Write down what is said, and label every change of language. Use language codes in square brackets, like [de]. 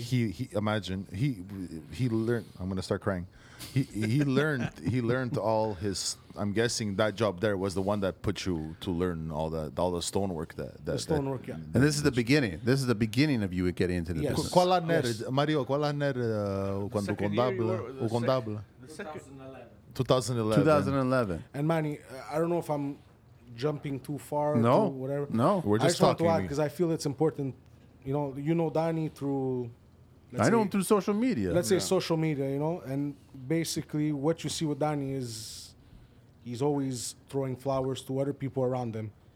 [en] He learned. I'm gonna start crying. He learned. He learned all his. I'm guessing that job there was the one that put you to learn all the stonework that the stonework. That, yeah. And this is the beginning. This is the beginning of you getting into the business. Yes. [it] Qual anno era, Mario? Qual anno era quando contabile? O contabile. [en] 2011. And Manny, I don't know if I'm jumping too far. No. Or too whatever. No. We're just talking. I just want to add because I feel it's important. You know Danny through... I know him through social media. Let's say social media, you know? And basically what you see with Danny is he's always throwing flowers to other people around him.